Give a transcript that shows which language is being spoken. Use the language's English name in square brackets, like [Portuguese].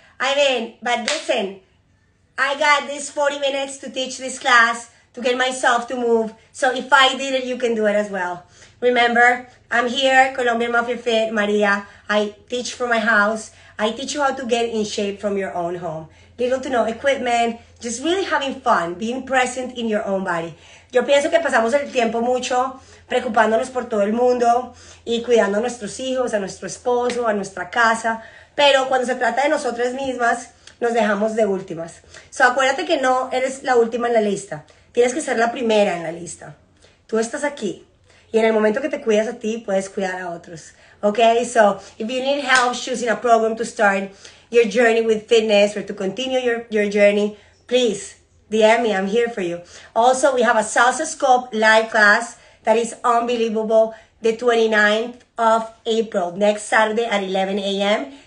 [English] I mean, but listen, I got this 40 minutes to teach this class, to get myself to move. So if I did it, you can do it as well. Remember, I'm here, Colombian Mafia Fit, Maria. I teach from my house. I teach you how to get in shape from your own home. Little to no equipment, just really having fun, being present in your own body. [Spanish] Yo pienso que pasamos el tiempo mucho preocupándonos por todo el mundo y cuidando a nuestros hijos, a nuestro esposo, a nuestra casa, pero cuando se trata de nosotras mismas, nos dejamos de últimas. So, acuérdate que no eres la última en la lista. Tienes que ser la primera en la lista. Tú estás aquí y en el momento que te cuidas a ti, puedes cuidar a otros. [English] Okay, so, if you need help choosing a program to start your journey with fitness or to continue your journey, please DM me. I'm here for you. Also, we have a Salsa Sculpt live class that is unbelievable, the 29th of April, next Saturday at 11 a.m.